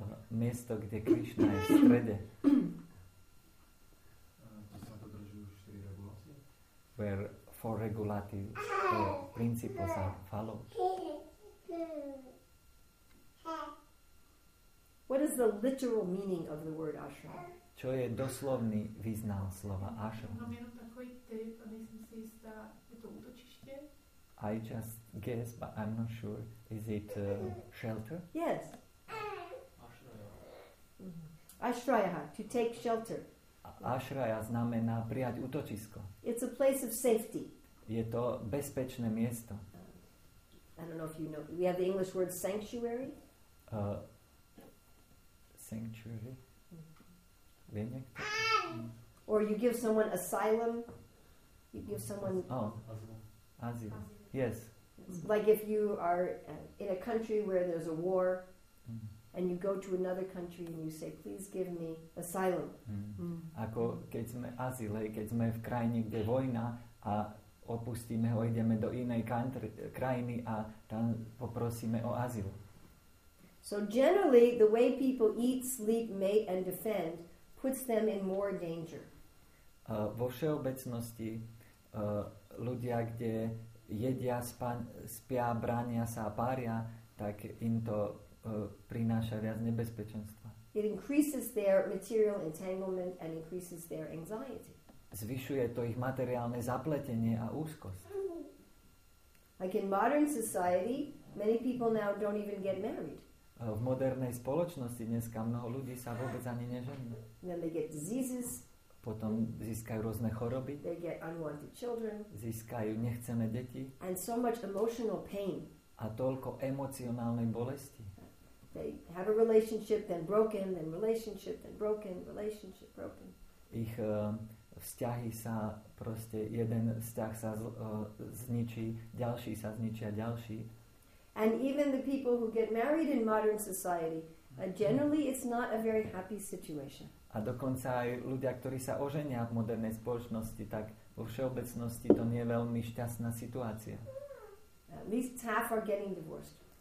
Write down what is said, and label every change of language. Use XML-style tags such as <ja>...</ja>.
<sk>Miesto, kde Krishna je v strede. Tu sa dodržujú 4 regulácie.</sk> <en>Where 4 regulatives, the principles are followed. What is the literal meaning of the word ashram?</en> <sk>Čo je doslovný význam slova ashram?</sk> <cs>Mám jenom takový typ a nejsem si istá, je to útočište?</cs> <en>I just guess, but I'm not sure. Is it shelter? Yes. Ashraya. Mm-hmm. Ashraya, to take shelter.</en> <sk>Ashraya znamená prijať útočisko.</sk> <en>It's a place of safety.</en> <sk>Je to bezpečné miesto.</sk> <en>I don't know if you know. We have the English word sanctuary. Sanctuary. Mm-hmm. Mm. Or you give someone asylum. You give someone... Oh. Asylum. Yes. Like if you are in a country where there's a war, mm-hmm. and you go to another country and you say, please give me asylum. Mm. Mm.</en> <sk>Ako keď sme azyle, keď sme v krajine, kde je vojna a opustíme ho, ideme do inej krajiny a tam poprosíme o azyl.</sk> <en>So generally, the way people eat, sleep, mate and defend puts them in more danger.</en> <sk>Vo všeobecnosti ľudia, kde jedia, spia, bránia sa a pária, tak im to prináša viac nebezpečenstva.</sk> <en>It increases their material entanglement and increases their anxiety.</en> <sk>Zvyšuje to ich materiálne zapletenie a úzkosť.</sk> <en>Like in modern society, many people now don't even get married.</en> <sk>V modernej spoločnosti dneska mnoho ľudí sa vôbec ani neženie.</sk> <en>Then they get diseases.</en> <sk>Potom získajú rôzne choroby.</sk> <en>They get unwanted children.</en> <sk>Získajú nechcené deti.</sk> <en>And so much emotional pain.</en> <sk>A toľko emocionálnej bolesti.</sk> <en>They have a relationship, then broken, then relationship, then broken, relationship, broken.</en> <sk>Ich vzťahy sa proste, jeden vzťah sa zničí, ďalší sa zničí a ďalší.</sk> <en>And even the people who get married in modern society, generally it's not a very happy situation.</en> <sk>A dokonca aj ľudia, ktorí sa oženia v modernej spoločnosti, tak vo všeobecnosti to nie je veľmi šťastná situácia.</sk> <en>At least half are getting divorced.</en>